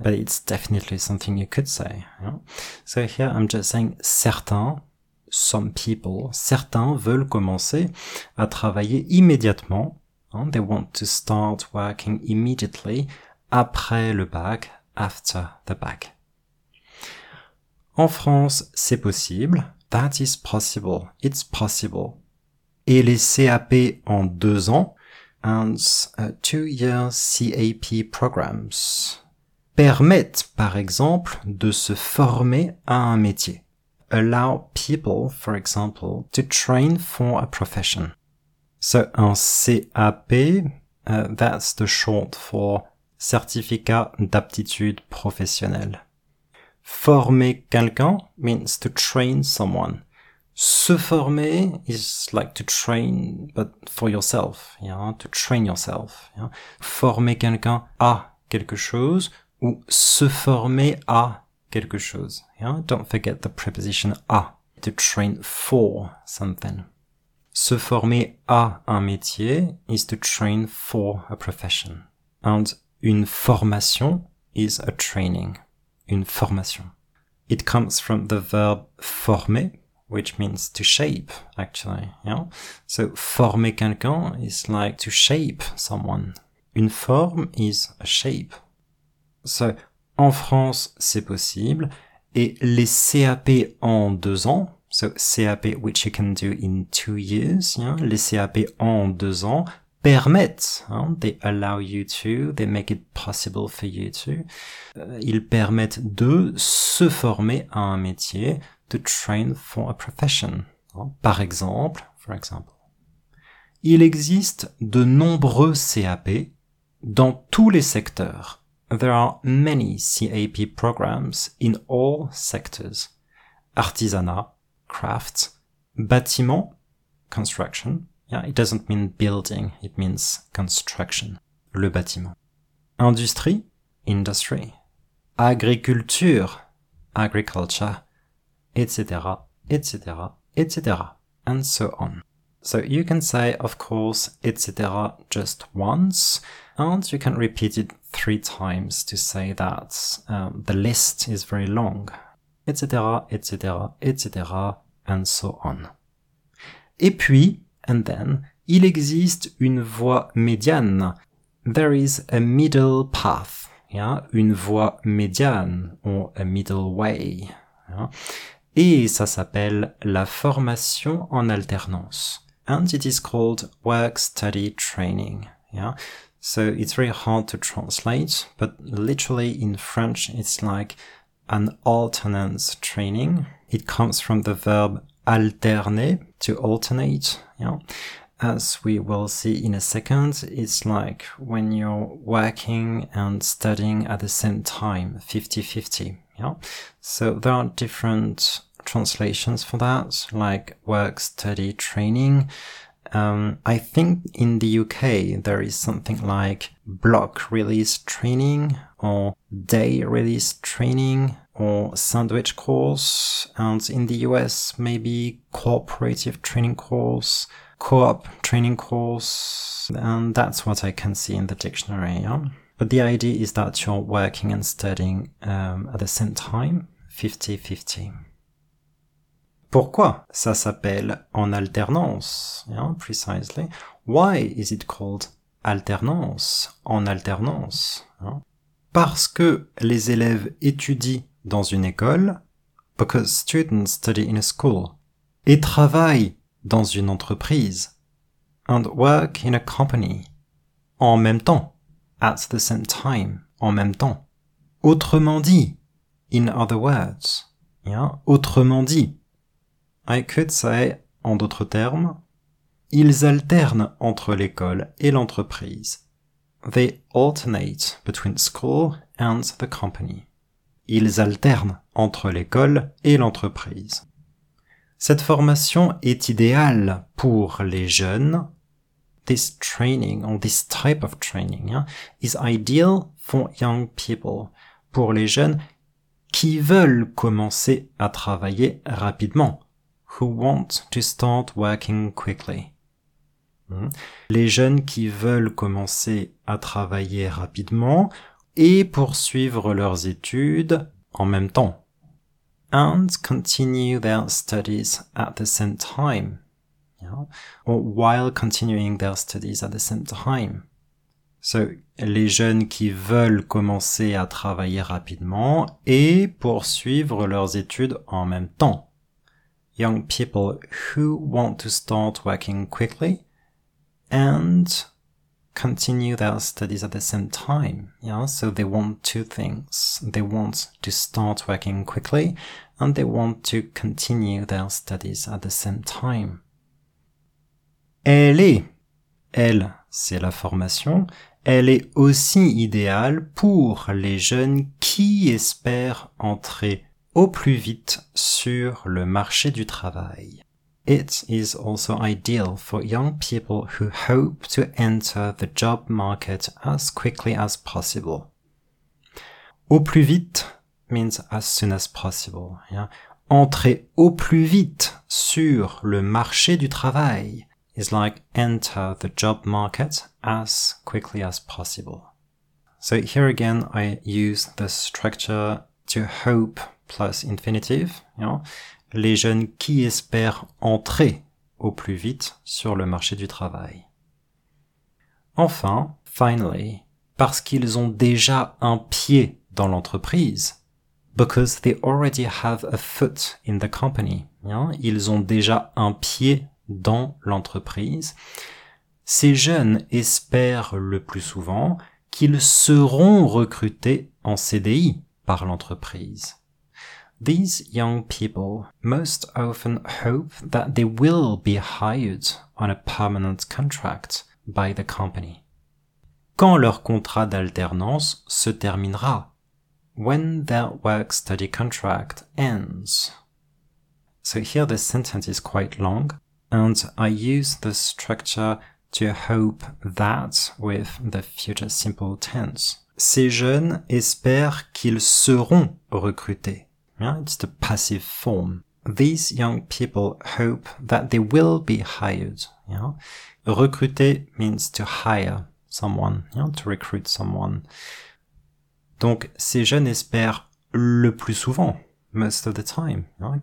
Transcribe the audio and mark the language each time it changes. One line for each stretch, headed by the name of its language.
English: But it's definitely something you could say, yeah. So here I'm just saying certains, some people,
French: certains veulent commencer à travailler immédiatement, hein?
English: They want to start working immediately
French: après le bac,
English: after the bac.
French: En France, c'est possible.
English: That is possible. It's possible.
French: Et les CAP en 2 ans.
English: And 2-year CAP programs
French: permettent, par exemple, de se former à un métier.
English: Allow people, for example, to train for a profession. So, un CAP, that's the short for Certificat d'aptitude professionnelle.
French: Former quelqu'un
English: means to train someone.
French: Se former
English: is like to train, but for yourself, yeah, to train yourself. Yeah.
French: Former quelqu'un à quelque chose ou se former à quelque chose.
English: Yeah. Don't forget the preposition à, to train for something.
French: Se former à un métier
English: is to train for a profession. And une formation is a training. Une formation. It comes from the verb former, which means to shape, actually. Yeah? So,
French: former quelqu'un
English: is like to shape someone. Une forme is a shape.
French: So, en France, c'est possible. Et les CAP en 2 ans,
English: so CAP which you can do in 2 years, yeah?
French: Les CAP en 2 ans permettent, hein?
English: They allow you to, they make it possible for you to.
French: Ils permettent de se former à un métier,
English: to train for a profession.
French: Hein? Par exemple,
English: for example.
French: Il existe de nombreux CAP dans tous les secteurs.
English: There are many CAP programs in all sectors.
French: Artisanat, craft, bâtiment, construction.
English: Yeah, it doesn't mean building, it means construction, le bâtiment. Industrie, industry. Agriculture, agriculture, etc., etc., etc., and so on. So you can say, of course, etc. just once, and you can repeat it 3 times to say that the list is very long. Etc., etc., etc., and so on.
French: Et puis,
English: and then,
French: il existe une voie médiane.
English: There is a middle path. Yeah? Une voie médiane, or a middle way. Yeah?
French: Et ça s'appelle la formation en alternance.
English: And it is called work study training. Yeah? So it's very hard to translate, but literally in French, it's like an alternance training. It comes from the verb alterner, to alternate, yeah. As we will see in a second, it's like when you're working and studying at the same time, 50-50, yeah. So there are different translations for that, like work, study, training. I think in the UK, there is something like block release training or day release training or sandwich course, and in the US, maybe cooperative training course, co-op training course, and that's what I can see in the dictionary, yeah? But the idea is that you're working and studying at the same time, 50-50.
French: Pourquoi ça s'appelle en alternance,
English: yeah, precisely? Why is it called alternance, en alternance? Yeah?
French: Parce que les élèves étudient dans une école,
English: because students study in a school,
French: et travaillent dans une entreprise,
English: and work in a company,
French: en même temps,
English: at the same time, en même temps.
French: Autrement dit,
English: in other words,
French: yeah, autrement dit,
English: I could say,
French: en d'autres termes, ils alternent entre l'école et l'entreprise.
English: They alternate between school and the company.
French: Ils alternent entre l'école et l'entreprise. Cette formation est idéale pour les jeunes.
English: This training, or this type of training, is ideal for young people.
French: Pour les jeunes qui veulent commencer à travailler rapidement.
English: Who want to start working quickly.
French: Les jeunes qui veulent commencer à travailler rapidement et poursuivre leurs études en même temps.
English: And continue their studies at the same time. Yeah? Or while continuing their studies at the same time.
French: So, les jeunes qui veulent commencer à travailler rapidement et poursuivre leurs études en même temps.
English: Young people who want to start working quickly and continue their studies at the same time. Yeah, so they want two things. They want to start working quickly and they want to continue their studies at the same time.
French: Elle est. Elle, c'est la formation. Elle est aussi idéale pour les jeunes qui espèrent entrer au plus vite sur le marché du travail.
English: It is also ideal for young people who hope to enter the job market as quickly as possible. Au plus vite means as soon as possible. Yeah?
French: Entrer au plus vite sur le marché du travail
English: is like enter the job market as quickly as possible. So here again, I use the structure to hope plus infinitive. You know?
French: Les jeunes qui espèrent entrer au plus vite sur le marché du travail. Enfin,
English: finally,
French: parce qu'ils ont déjà un pied dans l'entreprise.
English: Because they already have a foot in the company. You know?
French: Ils ont déjà un pied dans l'entreprise. Ces jeunes espèrent le plus souvent qu'ils seront recrutés en CDI par l'entreprise.
English: These young people most often hope that they will be hired on a permanent contract by the company.
French: Quand leur contrat d'alternance se terminera.
English: When their work study contract ends. So here the sentence is quite long. And I use the structure to hope that with the future simple tense.
French: Ces jeunes espèrent qu'ils seront recrutés.
English: Yeah, it's the passive form. These young people hope that they will be hired. Yeah? Recruter means to hire someone, yeah? To recruit someone.
French: Donc ces jeunes espèrent le plus souvent,
English: most of the time, yeah?